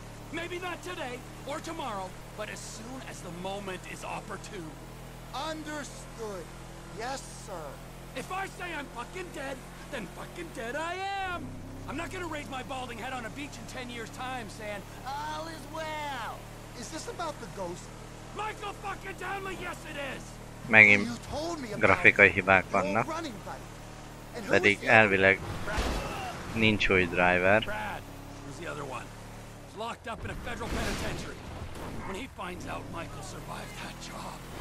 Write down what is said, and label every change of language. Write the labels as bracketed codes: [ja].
[en] Maybe not today or tomorrow, but as soon as the moment is opportune, Understood. Yes, sir. If I say I'm fucking dead, then fucking dead I am. I'm not gonna raise my balding head on a beach in 10 years' time saying, all is well. Is this about the ghost? Michael fucking Townley, yes it is. [hu] Megint grafikai hibák vannak. Pedig elvileg nincs új driver. [en] Brad, who's the other one? He's locked up in a federal penitentiary. When he finds out Michael survived that job.